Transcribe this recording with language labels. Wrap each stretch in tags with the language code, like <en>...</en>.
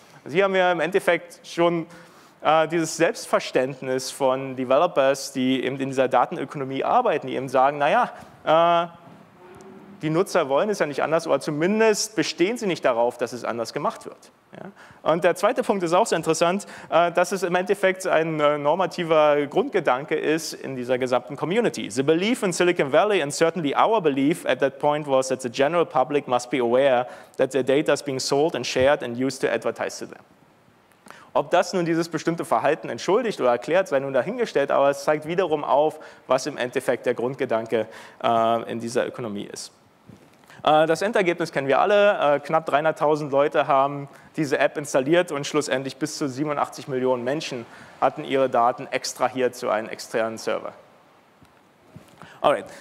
<de>Sie haben ja im Endeffekt schon dieses Selbstverständnis von Developers, die eben in dieser Datenökonomie arbeiten, die eben sagen, naja, die Nutzer wollen es ja nicht anders, oder zumindest bestehen sie nicht darauf, dass es anders gemacht wird. Ja? Und der zweite Punkt ist auch so interessant, dass es im Endeffekt ein normativer Grundgedanke ist in dieser gesamten Community.</de> <en>The belief in Silicon Valley and certainly our belief at that point was that the general public must be aware that their data is being sold and shared and used to advertise to them.</en> <de>Ob das nun dieses bestimmte Verhalten entschuldigt oder erklärt, sei nun dahingestellt, aber es zeigt wiederum auf, was im Endeffekt der Grundgedanke in dieser Ökonomie ist. Das Endergebnis kennen wir alle, knapp 300.000 Leute haben diese App installiert und schlussendlich bis zu 87 Millionen Menschen hatten ihre Daten extrahiert zu einem externen Server.</de> <en>Alright.</en>